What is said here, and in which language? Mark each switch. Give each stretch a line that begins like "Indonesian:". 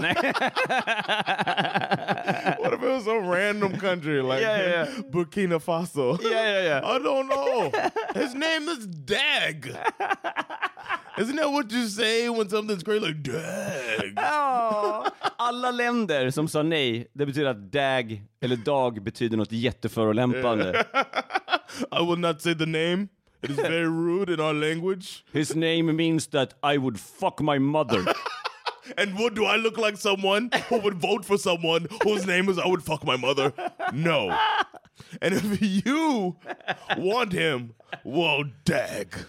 English: What if it was a random country like Burkina Faso? Yeah. I don't know. His name is Dag. Isn't that what you say when something's great like Dag?
Swedish: Alla länder som sa nej, det betyder att Dag eller Dag betyder något jätteförolämpande.
English: I will not say the name. It is very rude in our language. His name means that I would fuck my mother. And what, do I look like someone who would vote for someone whose name is I would fuck my mother? No. And if you want him, well, Dag,